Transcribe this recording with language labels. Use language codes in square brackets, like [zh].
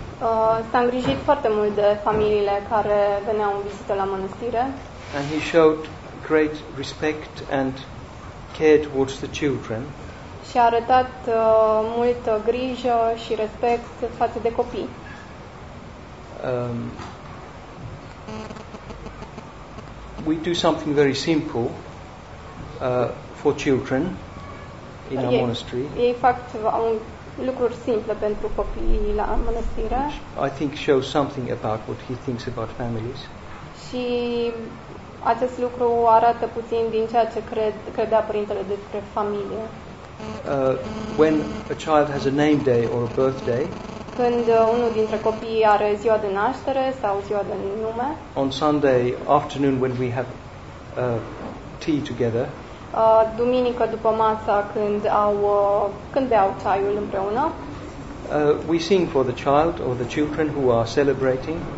[ro] S-a îngrijit foarte mult de familiile care veneau în vizită la mănăstire. [en] And he showed great respect and care towards the children. [ro] Și a arătat multă grijă și respect față de copii. [en] We do something very simple for children. In our monastery. [ro] Ei fac un lucru simplu pentru copiii la mănăstire. [en] I think shows something about what he thinks about families. [ro] Și acest lucru arată puțin din ceea ce credea părintele despre familie. [en] When a child has a name day or a birthday, [ro] când unul dintre copii are ziua de naștere sau ziua de nume, [en] on Sunday afternoon when we have tea together, [ro] duminică după masa când beau ceaiul împreună. [en] We sing for the child or the children who are celebrating.